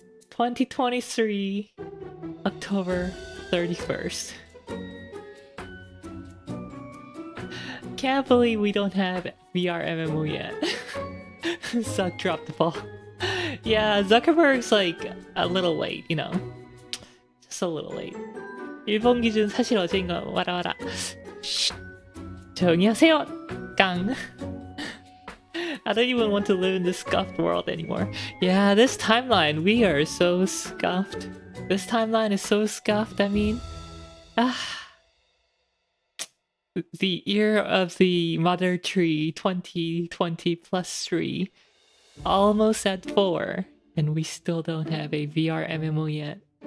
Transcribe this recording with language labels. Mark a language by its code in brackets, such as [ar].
[en] 2023 October 31st Can't believe we don't have VR MMO yet. Zuck dropped the ball. Yeah, Zuckerberg's like a little late, you know. Just a little late. [ko] 일본 기준 사실 어제인 거 와라 와라. 조용히 하세요. 깡. [en] I don't even want to live in this scuffed world anymore. Yeah, this timeline, we are so scuffed. This timeline is so scuffed, I mean. Ah. The year of the mother tree 2020 plus 3 almost at 4 and we still don't have a VR MMO yet.